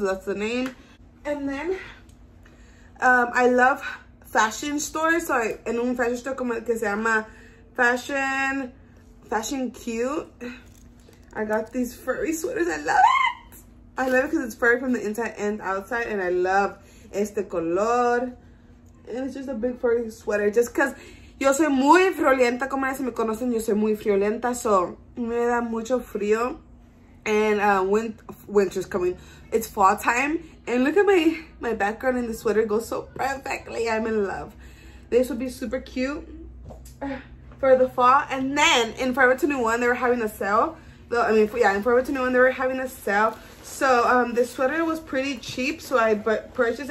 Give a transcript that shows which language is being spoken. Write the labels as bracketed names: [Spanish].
[English] That's the name. And then I love fashion store, so in [Spanish] un [English] fashion store [Spanish] como que se llama [English] fashion cute, I got these furry sweaters. I love it. I love it because it's furry from the inside and outside, and I love [Spanish] este color, [English] and it's just a big furry sweater. Just because [Spanish] yo soy muy friolenta, como ya se me conocen, yo soy muy friolenta, [English] so [Spanish] me da mucho frío, [English] and winter's coming. It's fall time. And look at my background in the sweater. It goes so perfectly. I'm in love. This would be super cute for the fall. And then in Forever 21, they were having a sale. In Forever 21, they were having a sale. So this sweater was pretty cheap. So I purchased it.